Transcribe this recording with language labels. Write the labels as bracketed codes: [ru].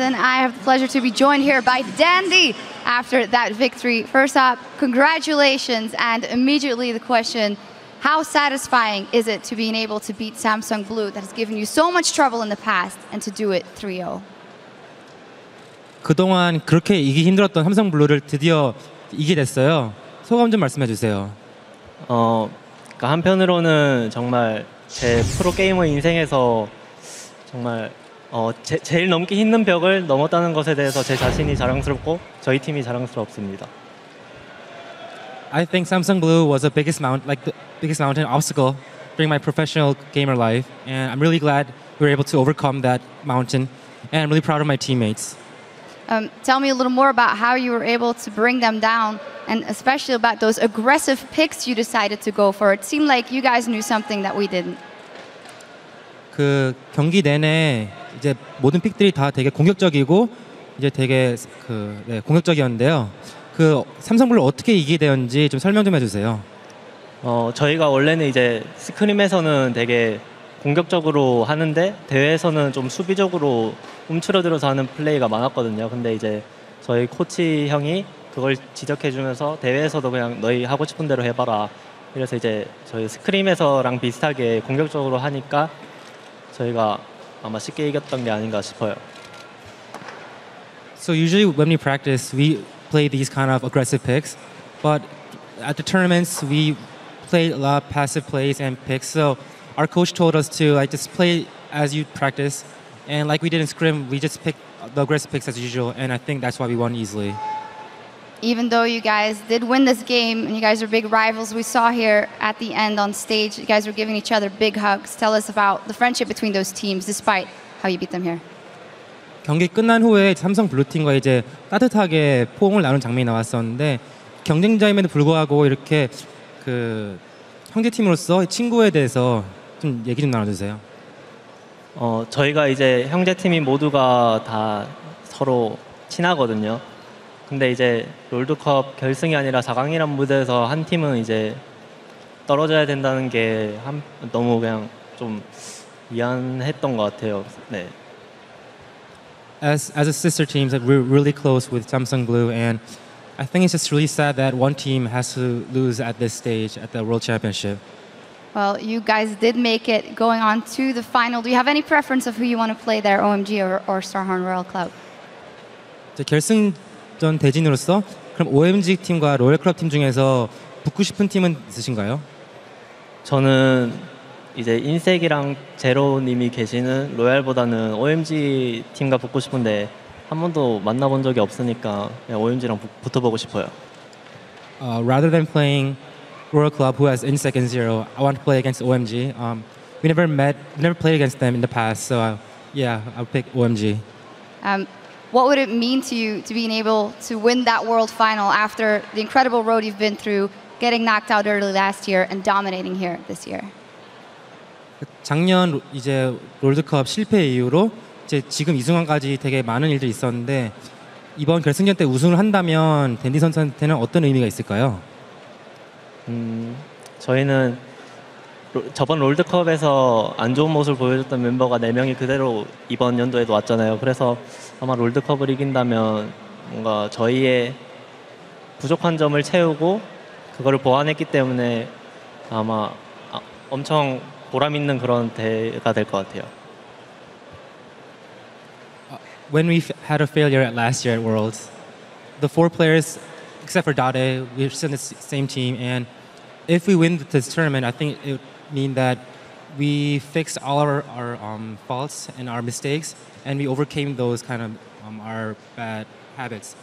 [en] And I have the pleasure to be joined here by Dandy after that victory. First off, congratulations. And immediately the question, how satisfying is it to being able to beat Samsung Blue that has given you so much trouble in the past and to do it 3-0? [ko] 그동안 그렇게 이기 힘들었던 삼성 블루를 드디어 이기게 됐어요. 소감 좀 말씀해 주세요. 그러니까 한편으로는 정말 제 프로 게이머 인생에서 정말 제일 넘기 힘든 벽을 넘었다는 것에 대해서 제 자신이 자랑스럽고 저희 팀이 자랑스럽습니다. [en] I think Samsung Blue was the biggest mountain obstacle during my professional gamer life, and I'm really glad we were able to overcome that mountain, and I'm really proud of my teammates. Tell me a little more about how you were able to bring them down, and especially about those aggressive picks you decided to go for. It seemed like you guys knew something that we didn't. [ko] 그 경기 내내 이제 모든 픽들이 다 되게 공격적이고 이제 되게 그 네, 공격적이었는데요. 그 삼성블루 어떻게 이기게 되었는지 좀 설명 좀 해주세요. 저희가 원래는 이제 스크림에서는 되게 공격적으로 하는데 대회에서는 좀 수비적으로 움츠러들어서 하는 플레이가 많았거든요. 근데 이제 저희 코치 형이 그걸 지적해주면서 대회에서도 그냥 너희 하고 싶은 대로 해봐라. 그래서 이제 저희 스크림에서랑 비슷하게 공격적으로 하니까 저희가 아마 쉽게 이겼던 게 아닌가 싶어요. [en] So usually when we practice, we play these kind of aggressive picks, but at the tournaments we play a lot of passive plays and picks, so our coach told us to like just play as you practice, and like we did in scrim, we just pick the aggressive picks as usual, and I think that's why we won easily. Even though you guys did win this game and you guys are big rivals, we saw here at the end on stage you guys were giving each other big hugs. Tell us about the friendship between those teams despite how you beat them here. [ko] 경기 끝난 후에 삼성 블루팀과 이제 따뜻하게 포옹을 나눈 장면이 나왔었는데 경쟁자임에도 불구하고 이렇게 그 형제 팀으로서 친구에 대해서 좀 얘기 좀 나눠주세요. 어 저희가 이제 형제 팀이 모두가 다 서로 친하거든요. 근데 이제 롤드컵 결승이 아니라 4강이란 무대에서 한 팀은 이제 떨어져야 된다는 게 한, 너무 그냥 좀 미안했던 것 같아요. 네. [en] As a sister team, like, we're really close with Samsung Blue, and I think it's just really sad that one team has to lose at this stage at the World Championship. Well, you guys did make it going on to the final. Do you have any preference of who you want to play there, OMG or Starhorn Royal Club? [ko] 결승전 대진으로서 그럼 OMG 팀과 Royal Club 팀 중에서 붙고 싶은 팀은 있으신가요? 저는 이제 인색이랑 제로님이 계시는 로얄보다는 OMG 팀과 붙고 싶은데 한 번도 만나본 적이 없으니까 OMG랑 붙어보고 싶어요. [en] Rather than playing Royal Club who has Insec and Zero, I want to play against OMG. We never played against them in the past, so yeah, I'll pick OMG. What would it mean to you to being able to win that world final after the incredible road you've been through, getting knocked out early last year and dominating here this year? [ko] 작년 이제 롤드컵 실패 이후로 이제 지금 이 순간까지 되게 많은 일들이 있었는데 이번 결승전 때 우승을 한다면 댄디 선수한테는 어떤 의미가 있을까요? 저희는 저번 롤드컵에서 안 좋은 모습을 보여줬던 멤버가 4명이 그대로 이번 연도에도 왔잖아요. 그래서 아마 롤드컵을 이긴다면 뭔가 저희의 부족한 점을 채우고 그거를 보완했기 때문에 아마 엄청 보람 있는 그런 대회가 될 것 같아요. [en] When we had a failure at last year at Worlds, the four players, except for Dade, we're still in the same team. And if we win this tournament, I think it would mean that we fixed all our faults and our mistakes, and we overcame those kind of our bad habits.